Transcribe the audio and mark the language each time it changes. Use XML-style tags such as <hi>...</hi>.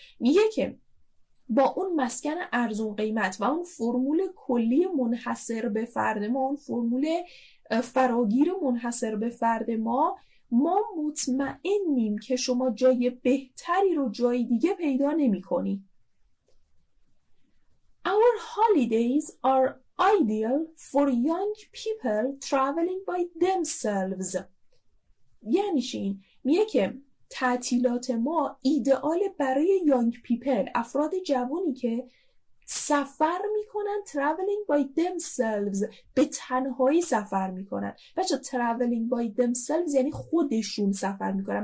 <fa>میگه که با اون مسکن ارزون قیمت و اون فرمول کلی منحصر به فرد ما، اون فرمول فراگیر منحصر به فرد ما، ما مطمئنیم که شما جای بهتری رو جای دیگه پیدا نمی کنی.</fa> <en>Our holidays are ideal for young people traveling by themselves.</en> <fa>یعنی شین میگه که تعطیلات ما ایدئال برای</fa> <en>young people،</en> <fa>افراد جوانی که سفر می کنن،</fa> <en>traveling by themselves،</en> <fa>به تنهایی سفر می کنن. بچه</fa> <en>traveling by themselves</en> <fa>یعنی خودشون سفر می کنن.</fa>